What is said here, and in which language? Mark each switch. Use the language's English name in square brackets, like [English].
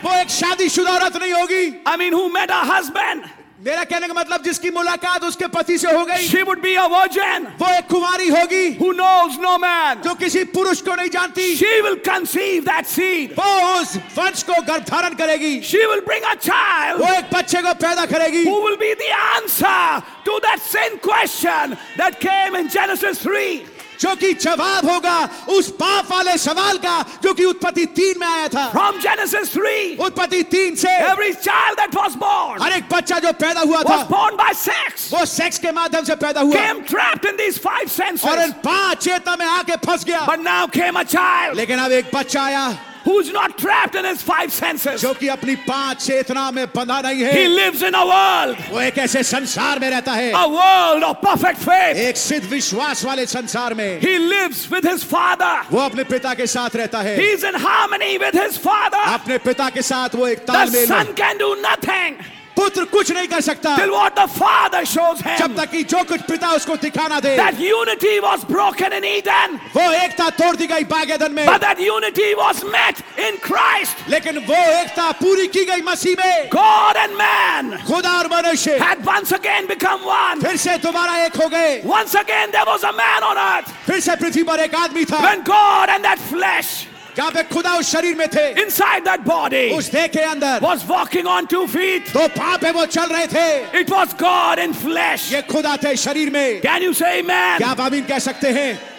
[Hindi] वो एक शादीशुदा औरत नहीं होगी. [English] I mean who met a husband. [Hindi] मेरा कहने का मतलब जिसकी मुलाकात उसके पति से हो गई. [English] She would be a virgin. [Hindi] वो एक कुमारी होगी. [English] Who knows no man. [Hindi] जो किसी पुरुष को नहीं जानती. [English] She will conceive that seed. [Hindi] वो उस वंश को गर्भधारण करेगी. [English] She will bring a child. [Hindi] वो एक बच्चे को पैदा करेगी. [English] Who will be the answer to that same question that came in Genesis 3. [Hindi] जो कि जवाब होगा उस पाप वाले सवाल का जो कि उत्पत्ति तीन में आया था. [English] From Genesis 3, [Hindi] उत्पत्ति तीन से, [English] every child that was born, [Hindi] हर एक बच्चा जो पैदा हुआ था, [English] was born by sex, [Hindi] वो सेक्स के माध्यम से पैदा हुआ, [English] came trapped in these five senses, [Hindi] और इन पांच चेतना में आके फंस गया. [English] But now came a child, [Hindi] लेकिन अब एक बच्चा आया, [English] who's not trapped in his five senses, [Hindi] जो कि अपनी पांच चेतना में बंधा नहीं है. [English] He lives in a world, [Hindi] वो एक ऐसे संसार में रहता है, [English] a world of perfect faith, [Hindi] एक सिद्ध विश्वास वाले संसार में. [English] He lives with his father, [Hindi] वो अपने पिता के साथ रहता है. [English] He is in harmony with his father, [Hindi] अपने पिता के साथ वो एक तालमेल. [English] The son can do nothing, [Hindi] पुत्र कुछ नहीं कर सकता. [English] Till what the father shows him, [Hindi] जब तक कि जो कुछ पिता उसको दिखाना दे. [English] That unity was broken in Eden, [Hindi] वो एकता तोड़ दी गई बाग एदन में. [English] But that unity was met in Christ, [Hindi] लेकिन वो एकता पूरी की गई मसीह में. [English] God and man, [Hindi] खुदा और मनुष्य, [English] had once again become one, [Hindi] फिर से दोबारा एक हो गए. [English] Once again there was a man on earth, [Hindi] फिर से पृथ्वी पर एक आदमी था. [English] When God and that flesh, [Hindi] खुदा उस शरीर में थे, [English] inside that body, [Hindi] उस देह के अंदर, [English] was walking on two feet, [Hindi] दो पांव पे वो चल रहे थे. [English] it was God in flesh, [Hindi] ये खुदा थे शरीर में. [English] Can you say amen? [Hindi] क्या आप आमीन कह सकते हैं?